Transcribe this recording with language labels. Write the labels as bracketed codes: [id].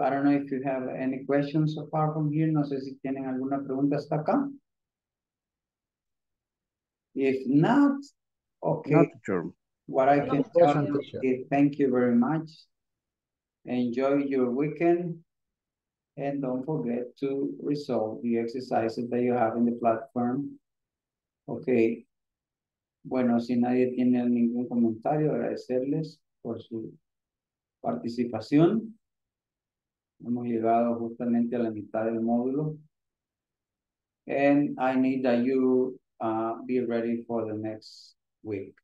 [en] I don't know if you have any questions so far from here. [es] No sé si tienen alguna pregunta hasta acá. [en] If not, okay. Not sure. What I can tell you is thank you very much. Enjoy your weekend. And don't forget to resolve the exercises that you have in the platform. Okay. [es] Bueno, si nadie tiene ningún comentario, agradecerles por su participación. Hemos llegado justamente a la mitad del módulo. [en] And I need that you be ready for the next week.